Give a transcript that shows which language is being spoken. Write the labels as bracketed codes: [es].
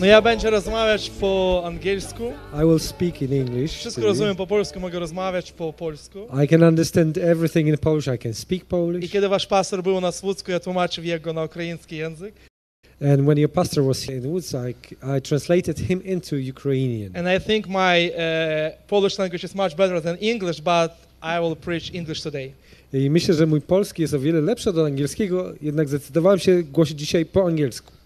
[pl] No ja będę rozmawiać po angielsku. [en] I will speak in English. [pl] Wszystko rozumiem po polsku, mogę rozmawiać po polsku. [en] I can understand everything in Polish, I can speak Polish. [pl] I kiedy wasz pastor był na Słupsku, ja tłumaczył jego na ukraiński język. [en] And when your pastor was here in Woodside, I translated him into Ukrainian. And I think my Polish language is much better than English, but I will preach English today. [pl] I myślę, że mój polski jest o wiele lepszy od angielskiego, jednak zdecydowałem się głosić dzisiaj po angielsku.